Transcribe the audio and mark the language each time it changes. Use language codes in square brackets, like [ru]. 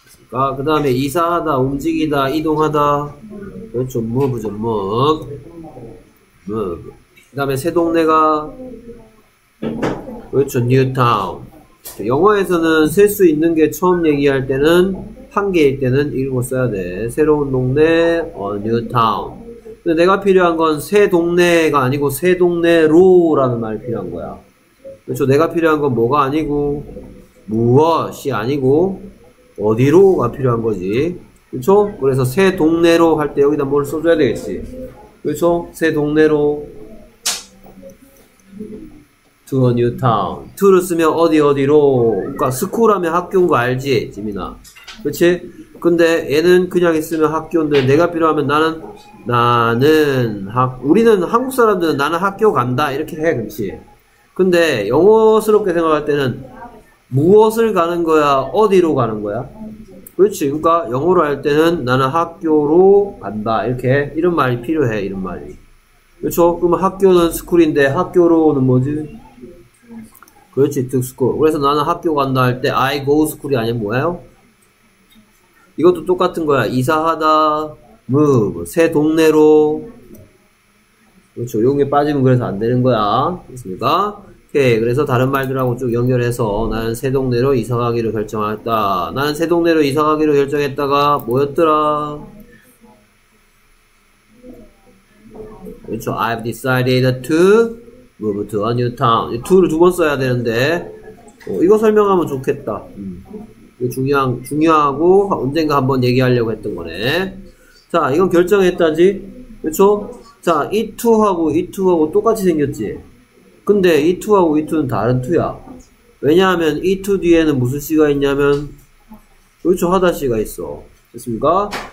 [ko] 자, 그다음에 이사하다, 움직이다, 이동하다. 그렇죠, move죠, move. [en] move. [ko] 그다음에 새 동네가 그렇죠, [en] new town. [ko] 영어에서는 셀 수 있는 게 처음 얘기할 때는 한 개일 때는 이거 써야 돼. 새로운 동네, [en] a new town. [ko] 근데 내가 필요한 건 새 동네가 아니고 새 동네로라는 말이 필요한 거야. 그렇죠? 내가 필요한 건 뭐가 아니고 무엇이 아니고 어디로가 필요한 거지. 그렇죠? 그래서 새 동네로 할 때 여기다 뭘 써줘야 되겠지. 그렇죠? 새 동네로 [en] to a new town. [ko] to를 쓰면 어디 어디로. 그러니까 school 하면 학교인 거 알지, 지민아. 그렇지? 근데 얘는 그냥 있으면 학교인데 내가 필요하면 나는 학 우리는 한국 사람들은 나는 학교 간다 이렇게 해. 그렇지? 근데 영어스럽게 생각할 때는 무엇을 가는 거야? 어디로 가는 거야? 그렇지? 그러니까 영어로 할 때는 나는 학교로 간다 이렇게 해. 이런 말이 필요해. 이런 말이. 그렇죠? 그러면 학교는 스쿨인데 학교로는 뭐지? 그렇지? [en] to school. [ko] 그래서 나는 학교 간다 할 때 [en] I go school [ko] 이 아니면 뭐예요? 이것도 똑같은 거야. 이사하다, move, 새 동네로. 그렇죠. 요게 빠지면 그래서 안 되는 거야. 됐습니까? 오케이. 그래서 다른 말들하고 쭉 연결해서 나는 새 동네로 이사가기로 결정했다. 나는 새 동네로 이사가기로 결정했다가 뭐였더라? 그렇죠. [en] I've decided to move to a new town. [ko] to를 두 번 써야 되는데, 이거 설명하면 좋겠다. 중요하고 언젠가 한번 얘기하려고 했던 거네. 자, 이건 결정했다지. 그렇죠? 자, 이 to하고 똑같이 생겼지. 근데 E2하고 E2는 다른 2야. 왜냐하면 E2 뒤에는 무슨 C가 있냐면 그렇죠, 하다 C가 있어. 됐습니까?